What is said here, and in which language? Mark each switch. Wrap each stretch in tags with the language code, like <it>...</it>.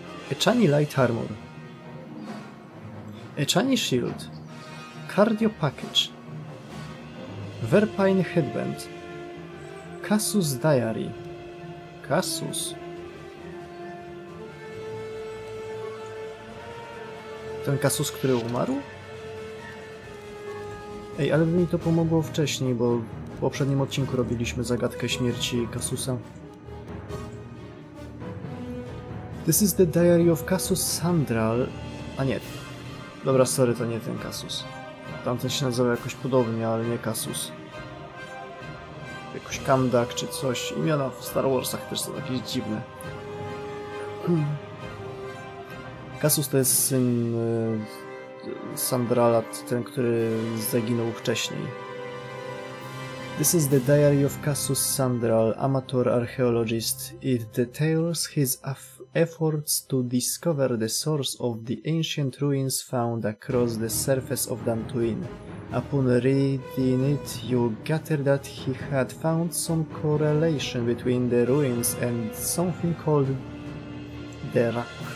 <en>Echani Light Armor, Echani Shield, Cardio Package, Verpine Headband, Cassus Diary, Cassus.</en> <pl>Ten Cassus, który umarł? Ej, ale by mi to pomogło wcześniej, bo w poprzednim odcinku robiliśmy zagadkę śmierci Cassusa.</pl> <en>This is the diary of Cassus Sandral.</en> <pl>A nie. Dobra, sorry, to nie ten Cassus. Tamten się nazywał jakoś podobnie, ale nie Cassus. Jakoś Kamdak czy coś. Imiona w Star Warsach też są jakieś dziwne. Cassus to jest syn Sandrala, ten, który zaginął wcześniej.</pl> <en>This is the diary of Cassus Sandral, amateur archaeologist. It details his efforts to discover the source of the ancient ruins found across the surface of Dantooine. Upon reading it, you gather that he had found some correlation between the ruins and something called the Rack.</en>